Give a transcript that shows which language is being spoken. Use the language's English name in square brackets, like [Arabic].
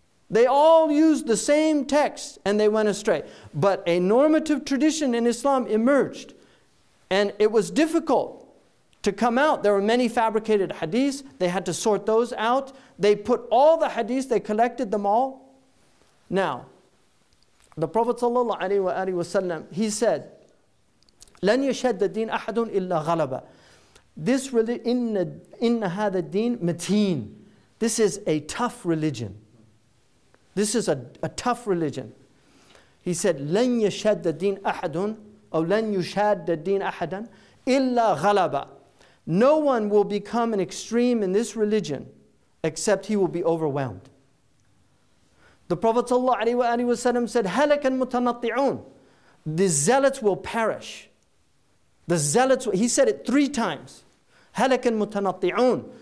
[English] They all used the same text and they went astray. But a normative tradition in Islam emerged, and it was difficult to come out. There were many fabricated hadiths. They had to sort those out. They put all the hadiths, they collected them all. Now, the Prophet ﷺ, he said, [Arabic] لَنْ يَشَدَّ الدِّينَ أَحَدٌ إِلَّا غَلَبَ. [English] This religion, [Arabic] إِنَّ هَذَا الدِّينَ مَتِينٌ. [English] This is a tough religion. This is a tough religion. He said, [Arabic] لَنْ يَشَدَّ الدِّينَ أَحَدٌ أو لَنْ يُشَدَّ الدِّينَ أَحَدًا إِلَّا غَلَبَ. [English] No one will become an extreme in this religion except he will be overwhelmed. The Prophet ﷺ said, [Arabic] هَلَكَ الْمُتَنَطِّعُونَ. [English] The zealots will perish. The zealots, he said it three times. [Arabic] هَلَكَ الْمُتَنَطِّعُونَ.